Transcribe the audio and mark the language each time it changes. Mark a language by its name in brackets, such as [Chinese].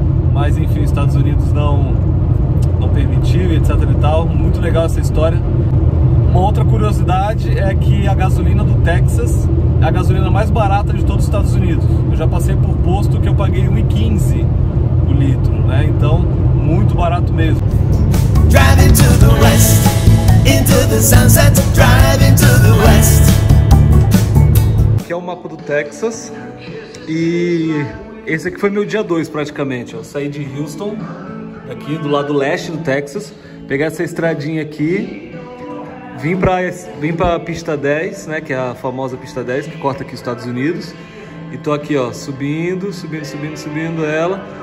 [Portuguese] Mas enfim, os Estados Unidos não permitiu, etc e tal. Muito legal essa história. Uma outra curiosidade é que a gasolina do Texas é a gasolina mais barata de todos os Estados Unidos. Eu já passei por posto que eu paguei R$1,15 o litro, né? Então, muito barato mesmo. [English] Driving to the west, into the sunset, driving to the west. [Portuguese] Aqui é o mapa do Texas e... esse aqui foi meu dia 2, praticamente. Eu saí de Houston, aqui do lado leste do Texas, peguei essa estradinha aqui, vim pra pista 10, né, que é a famosa pista 10, que corta aqui os Estados Unidos, e tô aqui, ó, subindo ela.